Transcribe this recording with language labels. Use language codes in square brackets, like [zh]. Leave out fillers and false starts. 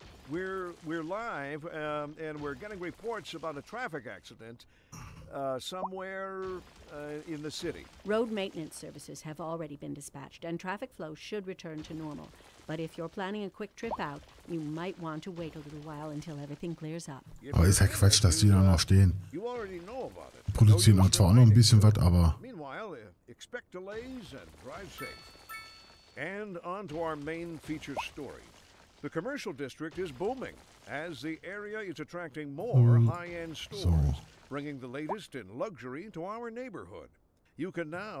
[en] We're live, and we're getting reports about a traffic accident somewhere in the city. Road maintenance services have already been dispatched, and traffic flow should return to normal. But if you're planning a quick trip out, you might want to wait a little while until everything clears up. [de] Aber ist ja Quatsch, dass die da noch stehen. Die produzieren auch zwar auch noch ein bisschen was, aber. [en] Meanwhile, expect delays and drive safe. And on to our main feature story. The commercial district is booming, as the area is attracting more high-end stores, bringing the latest in luxury to our neighborhood. You can now